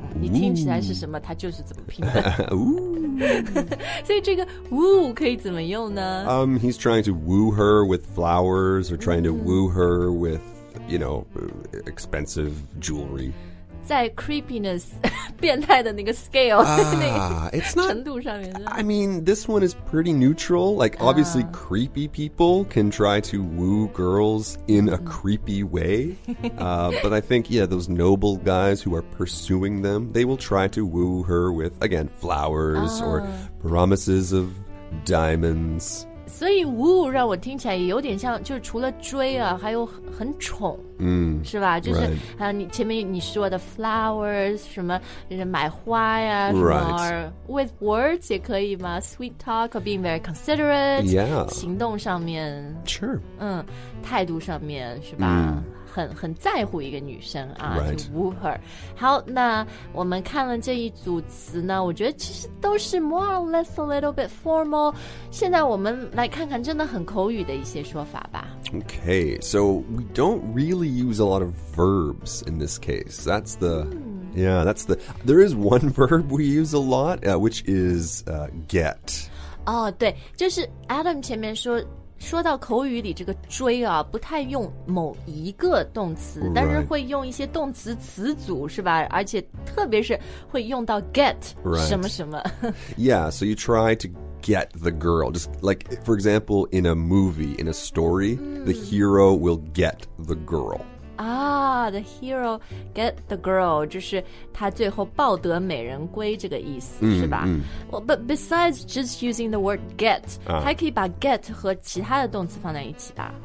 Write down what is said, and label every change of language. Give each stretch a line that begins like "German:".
Chinese: 你听起来是什么它就是怎么拼的
English: Woo
Chinese: 所以这个 woo 可以怎么用呢、
English: He's trying to woo her with flowers Or trying to woo her with You know, expensive jewelry
Chinese: 在 creepiness 变态的那个 scale、
English: It's not
Chinese: 程度上面
English: I mean, this one is pretty neutral Like obviously、creepy people Can try to woo girls In a creepy way But I think, yeah, those noble guys Who are pursuing them They will try to woo her with, again, flowers、Or promises of diamonds
Chinese: 所以 woo 让我听起来也有点像就是除了追啊还有很宠、是吧就是、
English: right.
Chinese: 还有你前面你说的 flowers 什么买花呀、啊、
English: right. with words
Chinese: 也可以吗
English: sweet talk or being very considerate、 yeah.
Chinese: 行动上面
English: sure、
Chinese: 态度上面是吧、很在乎一个女生啊、
English: right.
Chinese: 就 woo her 好那我们看了这一组词呢我觉得其实都是
English: more or less a little bit formal
Chinese: 现在我们来看看真的很口语的一些说法吧
English: Okay, so we don't really use a lot of verbs in this case That's the,、yeah, that's the There is one verb we use a lot, which is get
Chinese: 哦、对就是 Adam 前面说说到口语里这个追啊不太用某一个动词、
English: right.
Chinese: 但是会用一些动词词组是吧而且特别是会用到 get 什么什么、
English: right. Yeah, so you try to get the girl Just like, for example, in a movie, in a story、The hero will get the girl Ah, the hero get the girl
Chinese: 就是他最后抱得美人归这个意思、是吧、
English: Well, but besides just using the word get、
Chinese: 还可以把 get 和其他的动词放在一起吧